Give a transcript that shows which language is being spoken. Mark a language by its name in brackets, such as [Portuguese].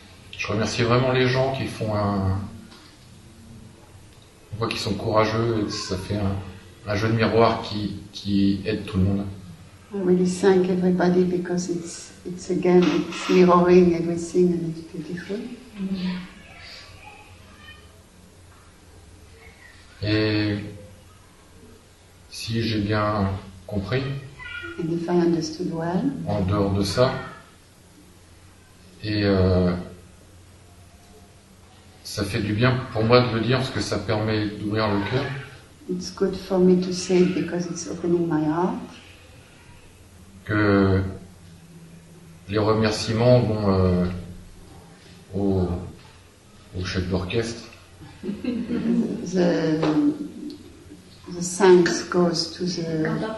[French] Je remercie vraiment les gens qui font un... On voit qu'ils sont courageux et ça fait un jeu de miroir qui aide tout le monde. [English] I really thank everybody because it's again, it's mirroring everything and it's beautiful. [French] Et si j'ai bien compris, [English] and if I understood well, [French] en dehors de ça, et... Ça fait du bien pour moi de le dire parce que ça permet d'ouvrir le cœur. [English] It's good for me to say it because it's opening my heart. [French] Que les remerciements vont au chef d'orchestre. [English] The thanks goes to the